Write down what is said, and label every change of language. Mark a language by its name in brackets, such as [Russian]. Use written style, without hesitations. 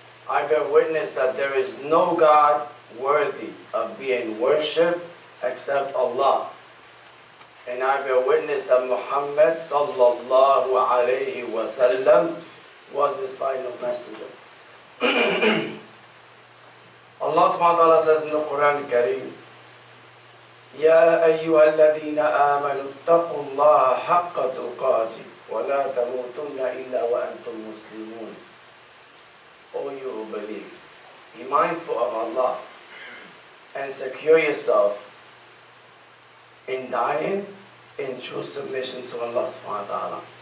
[English] I bear witness that there is no God worthy of being worshipped except Allah. And I bear witness that Muhammad sallallahu alayhi wa sallam was his final messenger. Allah subhanahu wa ta'ala says in the Quran al-Kareem, [Arabic] يَا أَيُّهَا الَّذِينَ آمَنُوا اتَّقُوا اللَّهَ حَقَّ تُقَاتِهِ وَلَا تَمُوتُنَّ إِلَّا وَأَنْتُمْ مُسْلِمُونَ. [English] O you who believe, be mindful of Allah and secure yourself in dying in true submission to Allah subhanahu wa ta'ala.